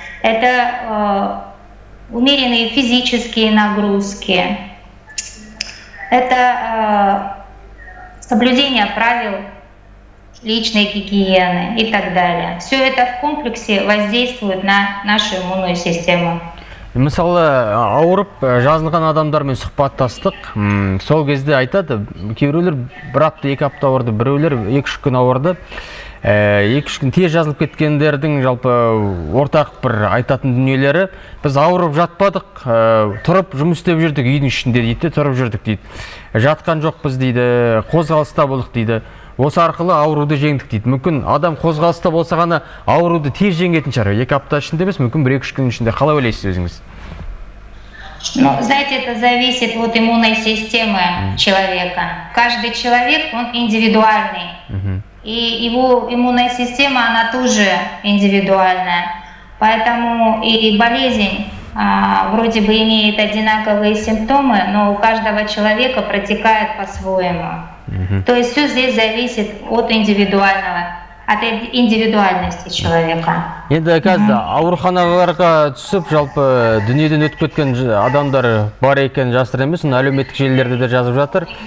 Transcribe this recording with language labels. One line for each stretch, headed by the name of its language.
Russian: Это умеренные физические нагрузки. Это соблюдение правил личной гигиены и так далее. Все это в комплексе воздействует на нашу иммунную систему.
Kazakh: Мысалы, ауырып жазылған адамдармен сұхбаттастық, сол кезде айтады, кейбіреулер бір апта, екі апта ауырды, біреулер екі-үш күн ауырды. Екі-үш күн тез жазылып кеткендердің жалпы ортақ бір айтатын дүниелері, біз ауырып жатпадық, тұрып жұмыс істеп жүрдік үйдің ішінде дейді, тұрып жүрдік дейді. Жатқан жоқпыз дейді, қозғалыста болдық дейді. Осы арқылы ауруды жеңдік дейді. Мүмкін адам қозғалыста болса ғана ауруды тез жеңетін шығар. Екі апта ішінде емес, мүмкін бір екі-үш күннің ішінде. Қалай ойлайсыз өзіңіз?
Russian: Ну, знаете, это зависит от иммунной системы человека. Каждый человек, он индивидуальный. И его иммунная система, она тоже индивидуальная. Поэтому и болезнь вроде бы имеет одинаковые симптомы, но у каждого человека протекает по-своему. То есть все здесь зависит от индивидуального, от индивидуальности человека.
Kazakh: Енді қазір ауруханаларға түсіп, жалпы дүниеден өтіп кеткен адамдар бар екен жасырын емес, оны әлеуметтік желілерде де жазып жатыр.